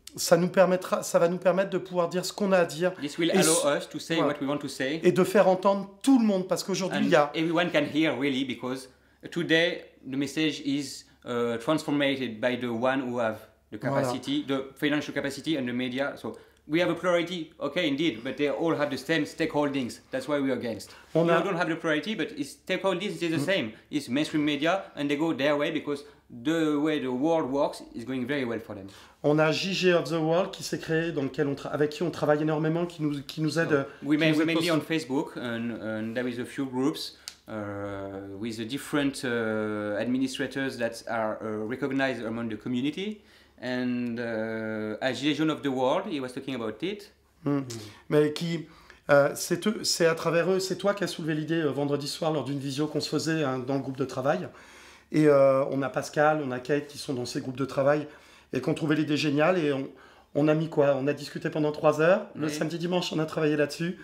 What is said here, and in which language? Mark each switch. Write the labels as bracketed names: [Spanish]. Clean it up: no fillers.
[French] ça va nous permettre de pouvoir dire ce qu'on a à dire. [English] This will allow us to say what we want to say. [French] Et de faire entendre tout le monde parce qu'aujourd'hui il y a. [English] Everyone can hear really because today the message is transformed by the one who have the capacity, the financial capacity and the media. So. We have a priority, okay, indeed, but they all have the same stakeholdings. That's why we're against. We don't have the priority, but its stakeholdings is the same. It's mainstream media, and they go their way because the way the world works is going very well for them. [French] On a JG of the World qui s'est créé, dans lequel avec qui on travaille énormément, qui nous aide. [English] We mainly on Facebook, and there is a few groups with the different administrators that are recognized among the community. And Agilation of the World, he was talking about it. [French] Mais qui, c'est à travers eux, c'est toi qui as soulevé l'idée vendredi soir lors d'une visio qu'on se faisait dans le groupe de travail. Et on a Pascal, on a Kate qui sont dans ces groupes de travail et qui ont trouvé l'idée géniale. Et on a mis quoi? On a discuté pendant 3 heures. Le samedi dimanche, on a travaillé là-dessus.